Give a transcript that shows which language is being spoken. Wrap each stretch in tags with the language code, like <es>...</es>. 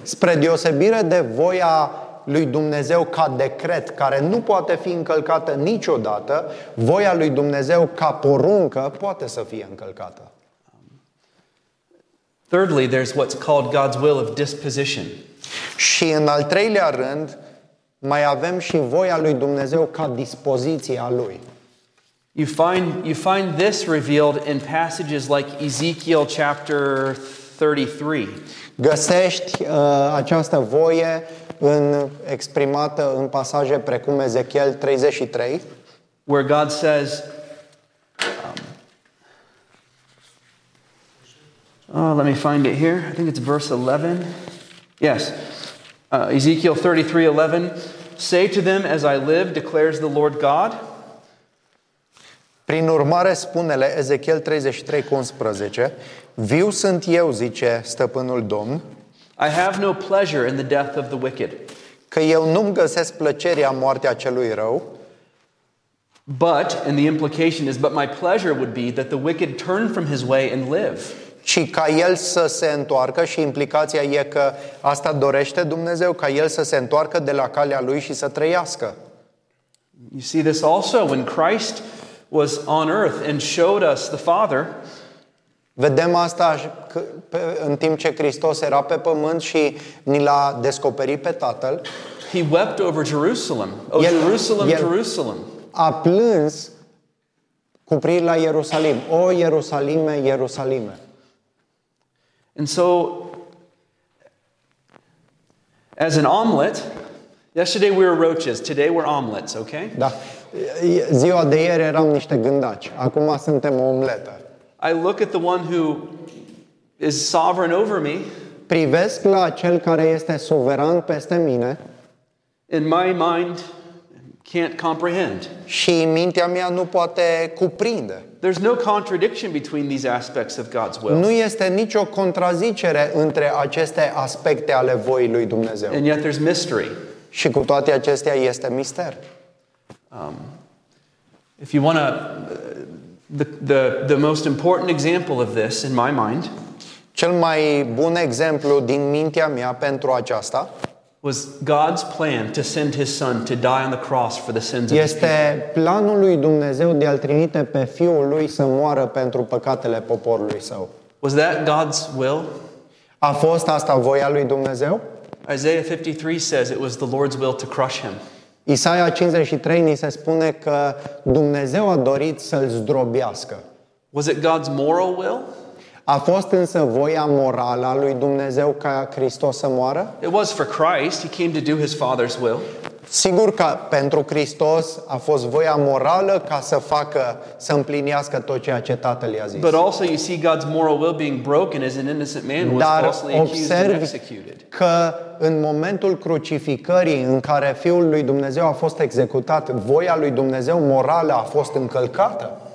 <ro>Spre deosebire de voia lui Dumnezeu ca decret, care nu poate fi încălcată niciodată, voia lui Dumnezeu ca poruncă poate să fie încălcată.</ro> <en>Thirdly, there's what's called God's will of disposition.</en> <ro>Și în al treilea rând, mai avem și voia lui Dumnezeu ca dispoziția lui.</ro> <en>You find this revealed in passages like Ezekiel chapter 33.</en> <ro>Găsești această voie exprimată în pasaje precum Ezechiel 33,</ro> <en>where God says let me find it here. I think it's verse 11. Yes. Ezekiel 33:11. Say to them, as I live, declares the Lord God.</en> <ro>Prin urmare, spune-le, Ezechiel 33:11, viu sunt eu, zice Stăpânul Domn,</ro> <en>I have no pleasure in the death of the wicked.</en> <ro>Că eu nu-mi găsesc plăcerea moartea celui rău.</ro> <en>But, and the implication is, but my pleasure would be that the wicked turn from his way and live.</en> <ro>Ci ca el să se întoarcă, și implicația e că asta dorește Dumnezeu, ca el să se întoarcă de la calea lui și să trăiască.</ro> <en>You see this also when Christ was on earth and showed us the Father.</en> <ro>Vedem asta în timp ce Hristos era pe pământ și ni l-a descoperit pe Tatăl.</ro> <en>He wept over Jerusalem. Oh, Jerusalem, Jerusalem.</en> <ro>A plâns cu privire la Ierusalim. O, Ierusalime, Ierusalime.</ro> <en>And so, as an omelet, yesterday we were roaches, today we're omelets, okay?</en> <ro>Da. Ziua de ieri eram niște gândaci, acum suntem o omletă.</ro> <en>I look at the one who is sovereign over me.</en> <ro>Privesc la cel care este suveran peste mine.</ro> <en>In my mind, can't comprehend.</en> <ro>Și mintea mea nu poate cuprinde.</ro> <en>There's no contradiction between these aspects of God's will.</en> <ro>Nu este nicio contrazicere între aceste aspecte ale voii lui Dumnezeu.</ro> <en>And yet there's mystery.</en> <ro>Și cu toate acestea este mister.</ro> <en>If you want to the most important example of this in my mind,</en> <ro>cel mai bun exemplu din mintea mea pentru aceasta</ro> <en>was God's plan to send his son to die on the cross for the sins of his people.</en> <ro>Este planul lui Dumnezeu de a-l trimite pe fiul lui să moară pentru păcatele poporului său.</ro> <en>Was that God's will?</en> <ro>A fost asta voia lui Dumnezeu?</ro> <en>Isaiah 53 says it was the Lord's will to crush him.</en> <ro>Isaia 53 ni se spune că Dumnezeu a dorit să-l zdrobească.</ro> <en>Was it God's moral will?</en> <ro>A fost însă voia morală a lui Dumnezeu ca Hristos să moară?</ro> <en>It was for Christ. He came to do his Father's will.</en> <ro>Sigur că pentru Hristos a fost voia morală ca să facă, să împlinească tot ceea ce Tatăl i-a zis.</ro> <en>But also you see God's moral will being broken as an innocent man was falsely accused and executed.</en> <ro>Că în momentul crucificării în care Fiul lui Dumnezeu a fost executat, voia lui Dumnezeu morală a fost încălcată.</ro>